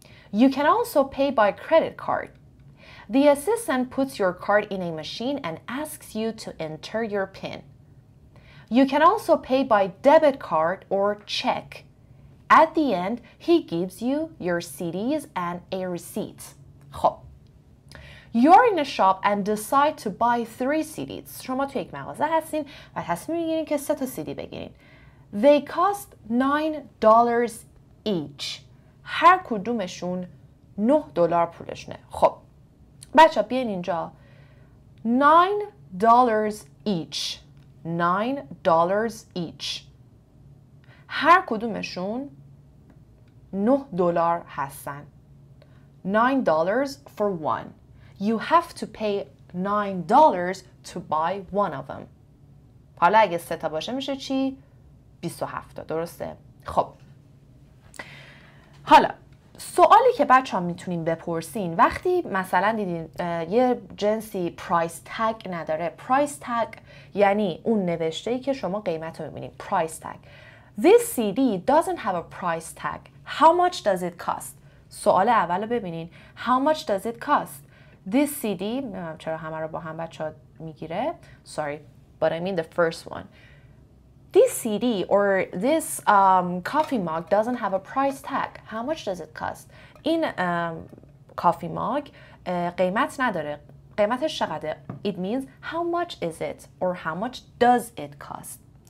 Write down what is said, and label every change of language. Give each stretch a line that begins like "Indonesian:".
English: You can also pay by credit card. The assistant puts your card in a machine and asks you to enter your PIN. You can also pay by debit card or check. At the end, he gives you your CDs and a receipt.
Persian: خب.
English: You're in a shop and decide to buy 3 CDs.
Persian: شما توی یک مغازه هستین و تصمیم میگیرین که 3 تا CD بگیرین.
English: They cost $9 each.
Persian: هر کدومشون 9 دلار پولشونه. خب. بچه‌ها بیاین اینجا.
English: $9 each. $9 each.
Persian: هر کدومشون 9 دلار هستن.
English: $9 for one. You have to pay $9 to buy one of them.
Persian: حالا اگه سه تا باشه میشه چی؟ 27 تا. درسته؟ خب. حالا سوالی که بچه‌ها میتونین بپرسین، وقتی مثلا دیدین یه جنسی پرایس تگ نداره، پرایس تگ یعنی اون نوشته‌ای که شما قیمت رو می‌بینین، پرایس تگ.
English: This CD doesn't have a price tag. How much does it cost?
Persian: سوال اولو ببینین.
English: How much does it cost? This CD,
Persian: نمیدونم چرا همه رو با هم بچه ها میگیره.
English: Sorry, but I mean the first one. This CD or this coffee mug doesn't have a price tag. How much does it cost?
Persian: این coffee mug قیمت نداره. قیمتش چقدره؟
English: It means how much is it or how much does it cost?